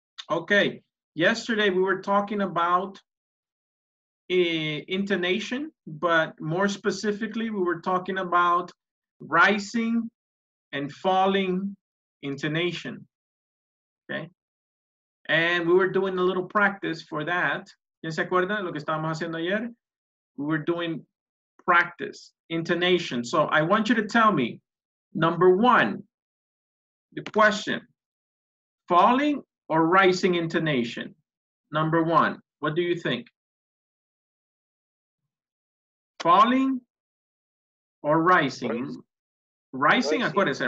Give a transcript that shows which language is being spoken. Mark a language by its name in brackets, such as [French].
[English] Okay, yesterday we were talking about intonation, but more specifically, we were talking about rising and falling intonation, okay? And we were doing a little practice for that. [Spanish] ¿Quién se acuerda de lo que estábamos haciendo ayer? [English] We were doing practice, intonation. So I want you to tell me, number one, the question, falling or rising intonation? Number one, what do you think? Falling or rising? Rising, [Spanish] acuérdense.